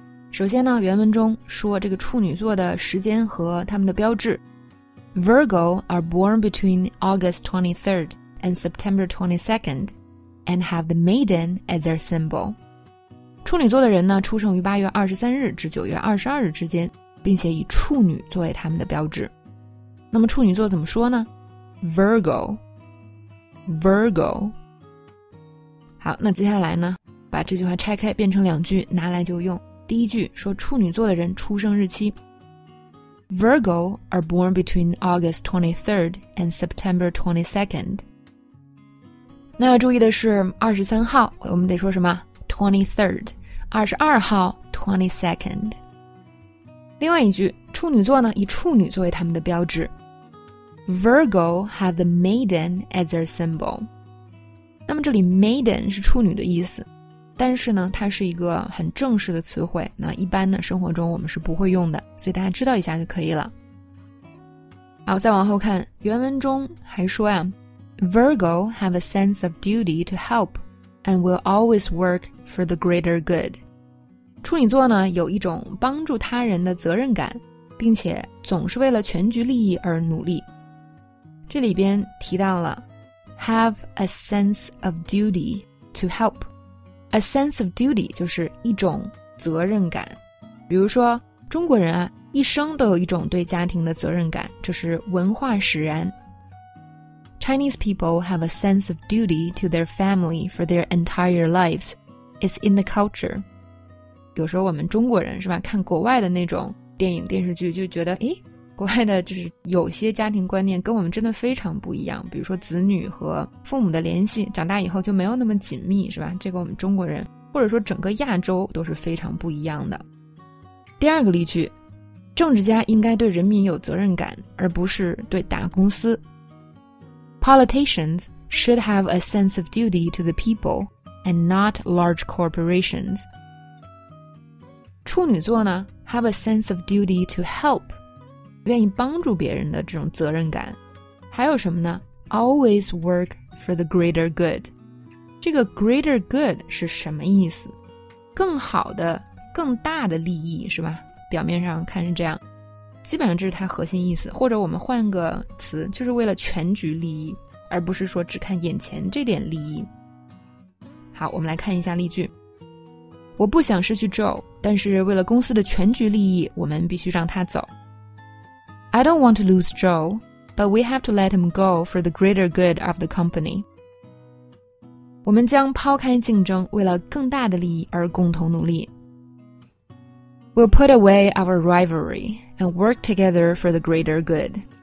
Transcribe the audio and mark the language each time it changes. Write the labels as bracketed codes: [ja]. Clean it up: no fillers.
[zh] 首先呢，原文中说这个处女座的时间和他们的标志。 [en] Virgo are born between August 23rd and September 22nd and have the maiden as their symbol. [zh] 处女座的人呢，出生于8月23日至9月22日之间，并且以处女作为他们的标志。那么处女座怎么说呢？Virgo. 好，那接下来呢，把这句话拆开变成两句拿来就用。第一句说处女座的人出生日期。 [en] Virgo are born between August 23rd and September 22nd. [zh] 那要注意的是23号我们得说什么 ?23rd, 22号 ,22nd. 另外一句处女座呢以处女作为他们的标志。 [en] Virgo have the maiden as their symbol. [zh] 那么这里 maiden 是处女的意思，但是呢它是一个很正式的词汇，那一般呢生活中我们是不会用的，所以大家知道一下就可以了。好，再往后看，原文中还说呀， [en] Virgo have a sense of duty to help and will always work for the greater good. [zh] 处女座呢有一种帮助他人的责任感，并且总是为了全局利益而努力。这里边提到了 [en] have a sense of duty to help. A sense of duty [zh] 就是一种责任感。比如说中国人啊一生都有一种对家庭的责任感，这是文化使然。 [en] Chinese people have a sense of duty to their family for their entire lives. It's in the culture. [zh] 有时候我们中国人是吧看国外的那种电影电视剧就觉得诶国外的就是有些家庭观念跟我们真的非常不一样，比如说子女和父母的联系长大以后就没有那么紧密，是吧？这个我们中国人或者说整个亚洲都是非常不一样的。第二个例句，政治家应该对人民有责任感而不是对大公司。 [en] Politicians should have a sense of duty to the people and not large corporations. [zh] 处女座呢 [en] have a sense of duty to help, [zh] 愿意帮助别人的这种责任感。还有什么呢？ [en] Always work for the greater good. 这个 greater good [zh] 是什么意思？更好的、更大的利益，是吧？表面上看是这样，基本上这是它核心意思。或者我们换个词，就是为了全局利益，而不是说只看眼前这点利益。好，我们来看一下例句。我不想失去 Joe, 但是为了公司的全局利益，我们必须让他走。 [en] I don't want to lose Joe, but we have to let him go for the greater good of the company. [zh] 我们将抛开竞争，为了更大的利益而共同努力。 [en] We'll put away our rivalry and work together for the greater good.